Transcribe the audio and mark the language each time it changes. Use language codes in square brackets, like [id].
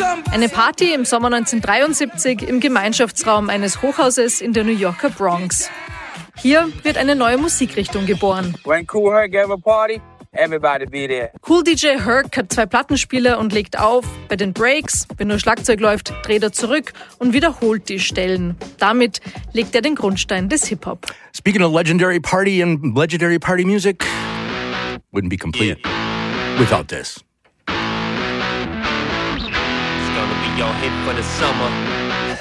[de] Eine Party im Sommer 1973 im Gemeinschaftsraum eines Hochhauses in der New Yorker Bronx. Hier wird eine neue Musikrichtung geboren. [en] When Cool Herc gave a party, everybody be there. [de] Cool DJ Herc hat 2 Plattenspieler und legt auf. Bei den Breaks, wenn nur Schlagzeug läuft, dreht er zurück und wiederholt die Stellen. Damit legt er den Grundstein des Hip-Hop. [en] Speaking of legendary party and legendary party music, wouldn't be complete without this. It's gonna be your hit for the summer.